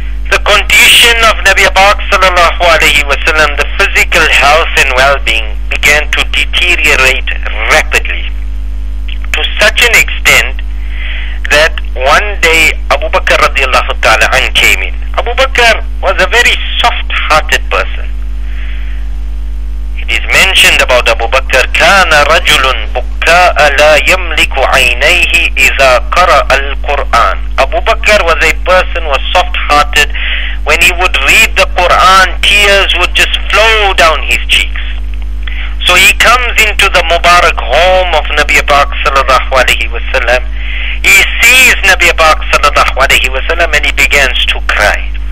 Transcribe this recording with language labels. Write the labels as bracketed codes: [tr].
[en] The condition of Nabi Pak sallallahu alayhi wa sallam, the physical health and well-being began to deteriorate rapidly, to such an extent that one day Abu Bakr radiallahu ta'ala anha came in. Abu Bakr was a very soft-hearted person. It is mentioned about Abu Bakr, [ar] كَانَ رَجُلٌ بُكَّاءَ لَا يَمْلِكُ عَيْنَيْهِ إِذَا قَرَأَ الْقُرْآنِ. [en] Abu Bakr was a person, was soft-hearted. When he would read the Qur'an, tears would just flow down his cheeks. So he comes into the Mubarak home of Nabi Pak sallallahu alayhi wa sallam. He sees Nabi Pak sallallahu alayhi wa sallam and he begins to cry.